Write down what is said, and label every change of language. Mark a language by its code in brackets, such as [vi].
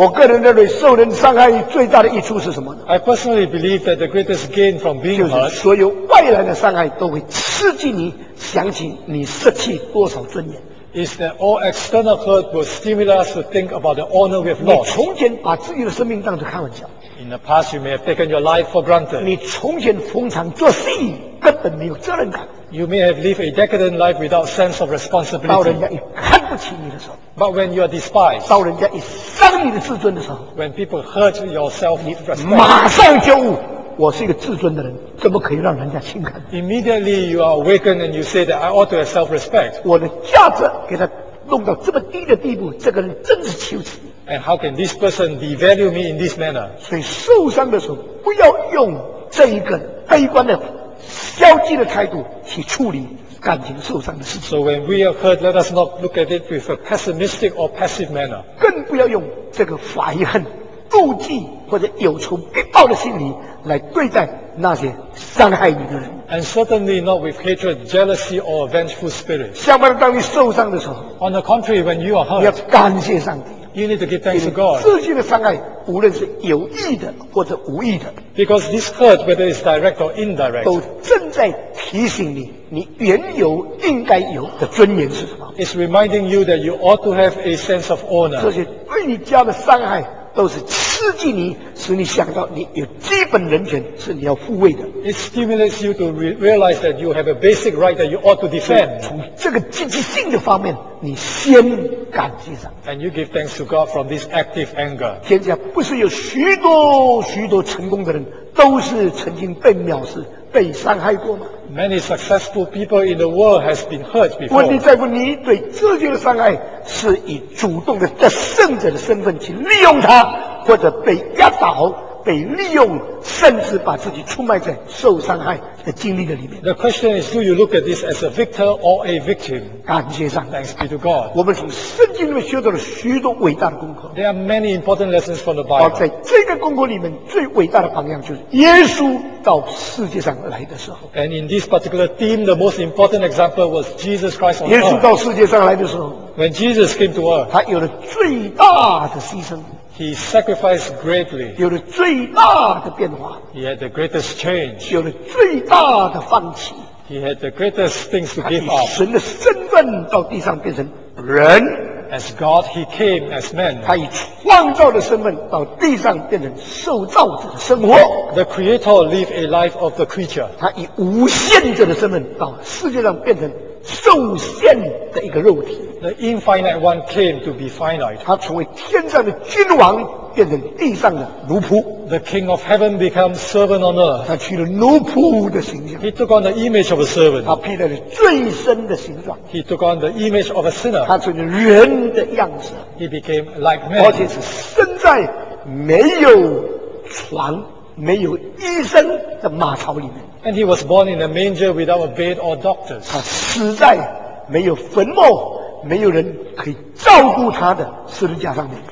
[zh] 我个人认为受人伤害最大的益处是什么呢 [en] ？I personally believe that the greatest gain from being hurt. [zh] 就是所有外来的伤害都会刺激你想起你失去多少尊严。 [en] Is that all external hurt will stimulate us to think about the honor we have lost? [zh] 你从前把自己的生命当作开玩笑。 [en] In the past, you may have taken your life for granted. [zh] 你从前逢场作戏，根本没有责任感。 [en] You may have lived a decadent life without sense of responsibility. [zh] 到人家一看不起你的时候。 [en] But when you are despised. [zh] 到人家一伤你的自尊的时候。 [en] When people hurt your self-respect. [zh] 马上就悟。我是一个自尊的人，怎么可以让人家轻看 [en] ？Immediately you are awakened and you say that I ought to have self-respect. [zh] 我的价值给他弄到这么低的地步，这个人真是羞耻。 [en] And how can this person devalue me in this manner? [zh] 所以受伤的时候，不要用这一个悲观的、消极的态度去处理感情受伤的事情。 [en] So when we are hurt, let us not look at it with a pessimistic or passive manner. [zh] 更不要用这个怀恨、妒忌或者有仇必报的心理。来对待那些伤害你的人 [en] ，and certainly not with hatred, jealousy, or a vengeful spirit. [zh] 相反的，当你受伤的时候 [en] ，on the contrary, when you are hurt, [zh] 你要感谢上帝。 [en] You need to give thanks to God. [zh] 自己的伤害，无论是有意的或者无意的 [en] ，because this hurt, whether it's direct or indirect, [zh] 都正在提醒你，你原有应该有的尊严是什么 [en] ？It's reminding you that you ought to have a sense of honor. [zh] 这些对你家的伤害。都是刺激你，使你想到你有基本人权是你要护卫的。 [en] It stimulates you to realize that you have a basic right that you ought to defend. [zh] 从这个积极性的方面，你先感激上。 [en] And you give thanks to God from this active anger. [zh] 天下不是有许多许多成功的人，都是曾经被藐视、被伤害过吗 [en] ？Many successful people in the world has been hurt before. [zh] 问题在乎你对自己的伤害。是以主动的得胜者的身份去利用他，或者被压倒、被利用，甚至把自己出卖在受伤害的经历的里面。 [en] The question is, do you look at this as a victor or a victim? [zh] 感谢上帝。 [en] Thanks be to God. [zh] 我们从圣经里面学到了许多伟大的功课。 [en] There are many important lessons from the Bible. [zh] 在这个功课里面，最伟大的榜样就是耶稣到世界上来的时候。 [en] And in this particular theme, the most important example was Jesus Christ on earth. [zh] 耶稣到世界上来的时候。 [en] When Jesus came to earth, [zh] 他有了最大的牺牲。 [en] He sacrificed greatly. [zh] 有了最大的变化。 [en] He had the greatest change. [zh] 有了最大的放弃。 [en] He had the greatest things to give up. [zh] 神的身份到地上变成人。 [en] As God, He came as man. [zh] 他以创造的身份到地上变成受造者的生活。 [en] The Creator lived a life of the creature. [zh] 他以无限者的身份到世界上变成受限的一个肉体。 [en] The infinite one came to be finite. [zh] 他成为天上的君王，变成地上的奴仆。 [en] The King of Heaven became servant on earth. [zh] 他取了奴仆的形象。 [en] He took on the image of a servant. [zh] 他披了最深的形状。 [en] He took on the image of a sinner. [zh] 他成了人的样子。 [en] He became like man. [zh] 而且是生在没有床、没有医生的马槽里面。 [en] And he was born in a manger without a bed or doctors. [zh] 他死在没有坟墓、没有人可以照顾他的十字架上面。